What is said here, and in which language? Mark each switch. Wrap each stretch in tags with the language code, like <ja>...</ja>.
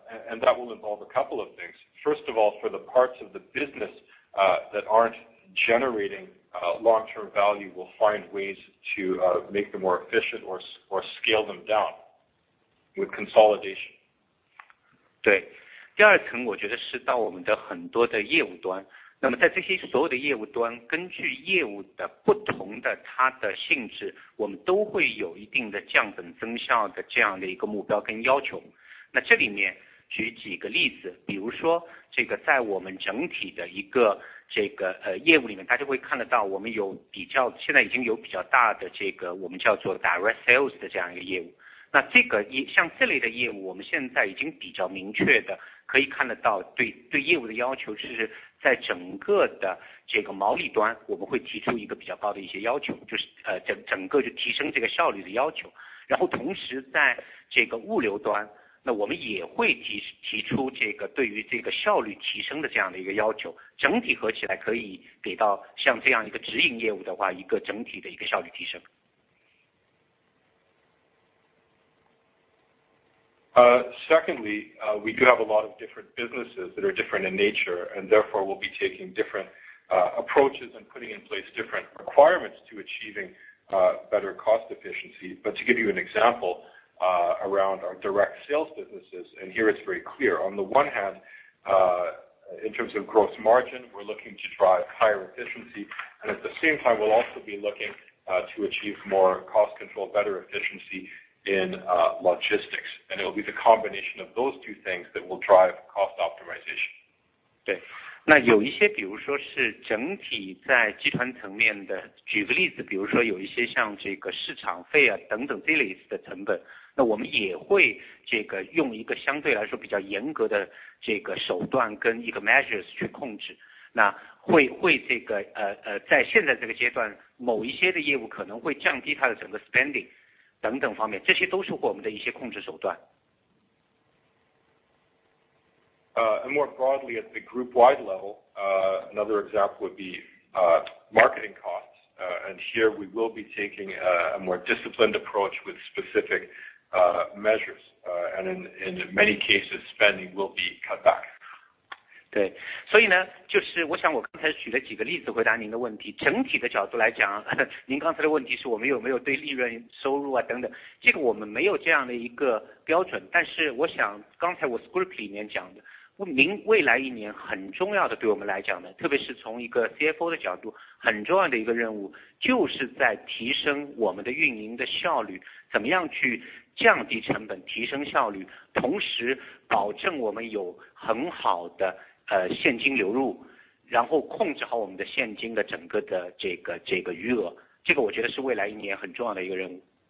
<en>And that will involve a couple of things. First of all, for the parts of the business that aren't generating long-term value, we'll find ways to make them more efficient or scale them down with consolidation.</en> <zh>对，第二层我觉得是到我们的很多的业务端。那么在这些所有的业务端，根据业务的不同的它的性质，我们都会有一定的降本增效的这样的一个目标跟要求。那这里面举几个例子，比如说这个在我们整体的一个这个业务里面，大家会看得到，我们有比较，现在已经有比较大的这个我们叫做 direct sales 的这样一个业务。那这个像这类的业务，我们现在已经比较明确的可以看得到对业务的要求，是在整个的这个毛利端，我们会提出一个比较高的一些要求，就是整个就提升这个效率的要求。然后同时在这个物流端，那我们也会提出这个对于这个效率提升的这样的一个要求，整体合起来可以给到像这样一个直营业务的话，一个整体的一个效率提升。</zh> <en>Secondly, we do have a lot of different businesses that are different in nature, and therefore we'll be taking different approaches and putting in place different requirements to achieving better cost efficiency. But to give you an example, around our direct sales businesses, and here it's very clear. On the one hand, in terms of gross margin, we're looking to drive higher efficiency, and at the same time, we'll also be looking to achieve more cost control, better efficiency in logistics. And it will be the combination of those two things that will drive cost optimization.</en> <zh>对，那有一些比如说是整体在集团层面的，举个例子，比如说有一些像这个市场费啊等等这类似的成本，那我们也会这个用一个相对来说比较严格的这个手段跟一个 measures 去控制。那会这个在现在这个阶段，某一些的业务可能会降低它的整个 spending 等等方面，这些都是我们的一些控制手段。</zh> <en>And more broadly at the group-wide level, another example would be marketing costs. And here we will be taking a more disciplined approach with specific measures, and in many cases, spending will be cut back.</en> <zh>对，所以呢，就是我想我刚才举了几个例子回答您的问题。整体的角度来讲，您刚才的问题是我们有没有对利润、收入啊等等，这个我们没有这样的一个标准。但是我想刚才我 script 里面讲的，未来一年很重要的，对我们来讲呢，特别是从一个 CFO 的角度，很重要的一个任务，就是在提升我们的运营的效率，怎么样去降低成本，提升效率，同时保证我们有很好的现金流入，然后控制好我们的现金的整个的这个余额，这个我觉得是未来一年很重要的一个任务。</zh>